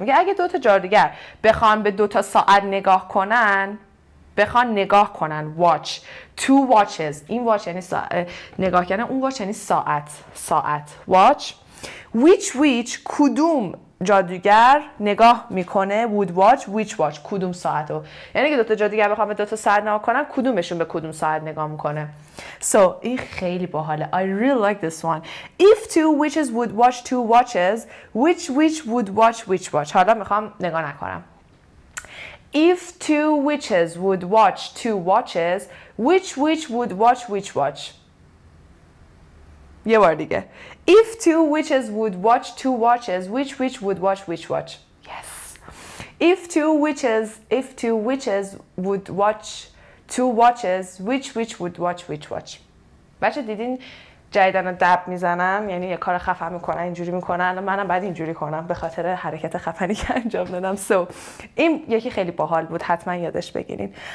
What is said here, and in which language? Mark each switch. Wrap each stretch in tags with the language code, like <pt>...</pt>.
<fa>میگه اگه دو تا جادوگر بخوان به دو تا ساعت نگاه کنن، بخوان نگاه کنن،</fa> <en>watch two watches،</en> <fa>این watch یعنی نگاه کردن، اون watch یعنی ساعت watch. Which کدوم جادوگر نگاه میکنه،</fa> <en>would watch which watch،</en> <fa>کدوم ساعتو، یعنی که دو تا جادوگر بخوام به دو تا ساعت نگاه کنن، کدومشون به کدوم ساعت نگاه میکنه.</fa> <en>So</en> <fa>این خیلی باحاله.</fa> <en>I really like this one. If two witches would watch two watches, which would watch which watch.</en> <fa>حالا میخوام نگاه نکنم.</fa> <en>If two witches would watch two watches, which would watch which watch.</en> <fa>یه بار دیگه.</fa> <en>If two witches would watch two watches, which would watch which watch. Yes. If two witches would watch two watches, which would watch which watch.</en> <fa>بچه دیدین جدیدن دب میزنم، یعنی یه کار خفن میکنن، اینجوری میکنن، منم بعد اینجوری کنم به خاطر حرکت خفنی که انجام دادم. So این یکی خیلی باحال بود، حتما یادش بگیرین.</fa>